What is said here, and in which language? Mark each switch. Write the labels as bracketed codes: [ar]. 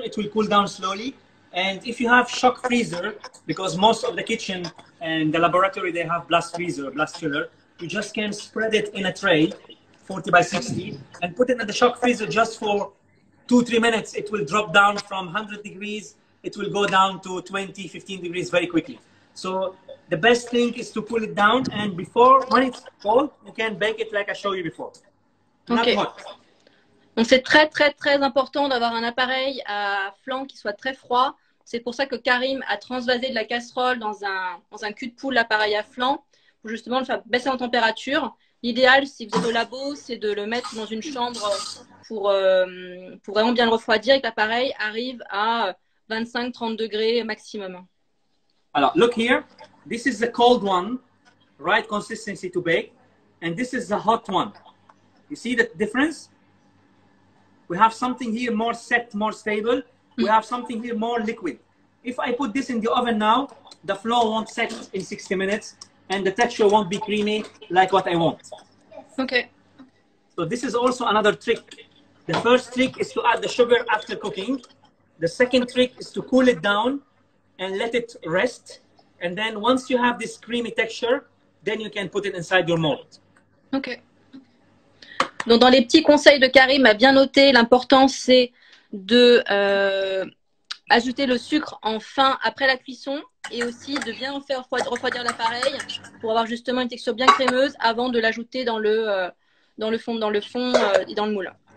[en] It will cool down slowly. And if you have shock freezer, because most of the kitchen and the laboratory, they have blast freezer, blast chiller, you just can spread it in a tray, 40 by 60, and put it in the shock freezer just for 2-3 minutes. It will drop down from 100 degrees. It will go down to 20, 15 degrees very quickly. So the best thing is to cool it down. And before, when it's cold, you can bake it like I showed you before. Okay. Not hot. [fr] C'est très, très, très important d'avoir un appareil à flanc qui soit très froid. C'est pour ça que Karim a transvasé de la casserole dans un cul de poule, l'appareil à flanc, pour justement le faire baisser en température. L'idéal, si vous êtes au labo, c'est de le mettre dans une chambre pour vraiment bien le refroidir et que l'appareil arrive à 25-30 degrés maximum. Alors, [en] look here. This is the cold one, right consistency to bake. And this is the hot one. You see the difference? We have something here more set, more stable. We have something here more liquid. If I put this in the oven now, the flour won't set in 60 minutes and the texture won't be creamy like what I want. Okay. So this is also another trick. The first trick is to add the sugar after cooking. The second trick is to cool it down and let it rest. And then once you have this creamy texture, then you can put it inside your mold. Okay. [fr] Donc, dans les petits conseils de Karim, à bien noter, l'important, c'est de ajouter le sucre en fin, après la cuisson, et aussi de bien faire refroidir l'appareil pour avoir justement une texture bien crémeuse avant de l'ajouter dans le fond et dans le moule.